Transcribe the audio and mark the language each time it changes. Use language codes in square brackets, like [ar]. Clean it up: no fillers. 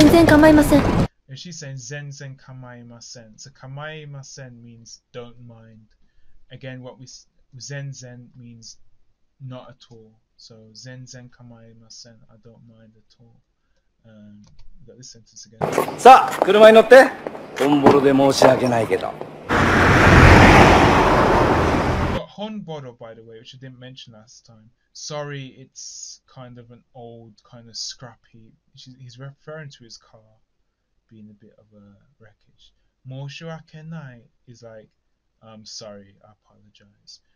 [en] And she's saying [ja] zenzen kamaimasen. [en] So kamaimasen means don't mind. Again, what we zenzen means not at all. So [ja] zenzen kamaimasen, [en] I don't mind at all. Got this sentence again. [ja] さあ、車に乗って。ホンボロで申し訳ないけど。 [en] Honboro, by the way, which I didn't mention last time. Sorry, it's kind of an old, kind of scrappy. He's referring to his car being a bit of a wreckage. Moshiwake nai is like, I'm sorry, I apologize.